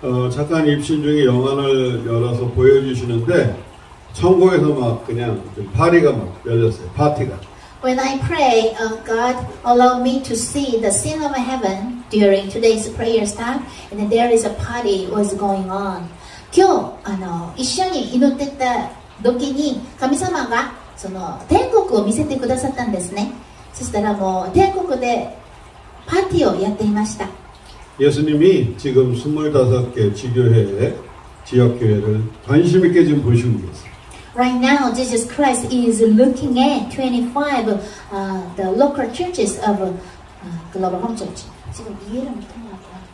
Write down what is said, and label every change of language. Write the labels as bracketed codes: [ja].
[ko] 잠깐 입신 중에 영안을 열어서 보여주시는데 천국에서 막 그냥 파리가 막 열렸어요. 파티가. [en] When I pray, God allow me to see the scene of heaven during today's prayer time, and there is a party was going on. [ja] 今日あの一緒に祈ってた時に神様がその天国を見せてくださったんですね。そしたらもう天国でパーティーをやっていました。 [ko] 예수님이지금25개지교회에지역교회를관심있게지금보시고계세요. [en] Right now, Jesus Christ is looking at 25 the local churches of Global Home Church. [ko] 지금 이해를 못 하는 것 같아요.